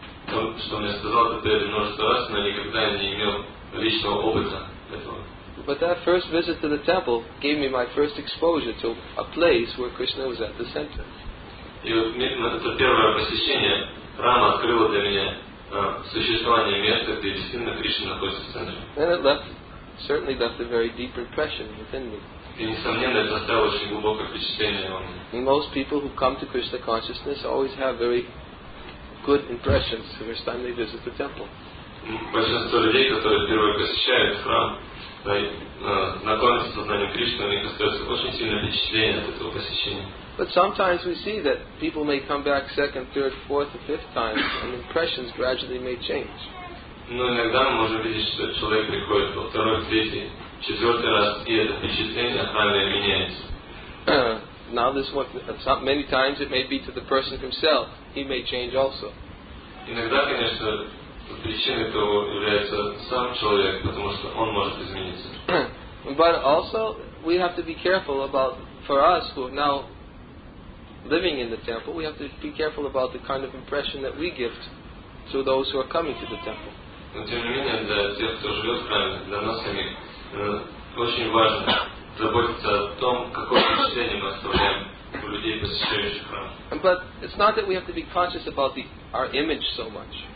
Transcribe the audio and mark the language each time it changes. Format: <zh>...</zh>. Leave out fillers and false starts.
<ru>Что мне сказал этот преданный множество раз, но никогда не имел личного опыта этого.</ru> <en>But that first visit to the temple gave me my first exposure to a place where Krishna was at the center.</en> <ru>И вот это первое посещение храма открыло для меня существование места, где действительно Кришна находится в центре.</ru> <en>And it certainly left a very deep impression within me.</en> <ru>И несомненно это оставило очень глубокое впечатление во мне.</ru> <en>Most people who come to Krishna consciousness always have very good impressions the first time they visit the temple.</en> <ru>Большинство людей, которые впервые посещают храм, знакомятся с сознанием Кришны, у них остается очень сильное впечатление от этого посещения.</ru> <en>But sometimes we see that people may come back second, third, fourth, or fifth times, and impressions gradually may change.</en> <ru>Но иногда мы можем видеть, что человек приходит во второй, третий, четвертый раз, и это впечатление храма меняется.</ru> <en>Now this one, many times it may be to the person himself, he may change also.</en> <ru>Иногда, конечно, причиной того является сам человек, потому что он может измениться.</ru> <en>But also, we have to be careful about, for us who are now living in the temple, we have to be careful about the kind of impression that we give to those who are coming to the temple.</en> <ru>Но тем не менее, для тех, кто живет в храме, для нас самих, очень важно заботиться о том, какое впечатление мы оставляем</ru> <en>But it's not that we have to be conscious about our image so much.</en>